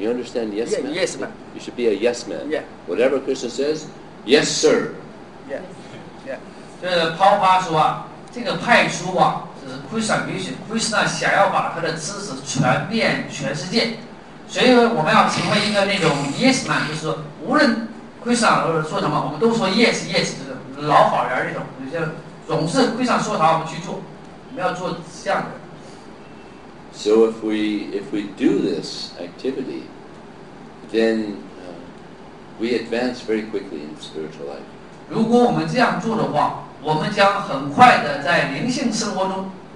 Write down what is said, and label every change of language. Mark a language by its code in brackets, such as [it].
[en] You understand yes men? Yes men. You should be a yes man. Yeah. Whatever Krishna says, yes sir. Yeah. Yeah. [zh] 这个 Prabhupada 说啊，这个派书啊Krishna 想要把他的知识传遍全世界，所以我们要成为一个那种 yes man， 就是无论 Krishna 说什么，我们都说 [en] yes yes， [zh] 就是老好人那种，就总是 Krishna 说啥我们去做，我们要做这样的。 [en] So if we do this activity, then we advance very quickly in spiritual life. [zh] 如果我们这样做的话，我们将很快的在灵性生活中。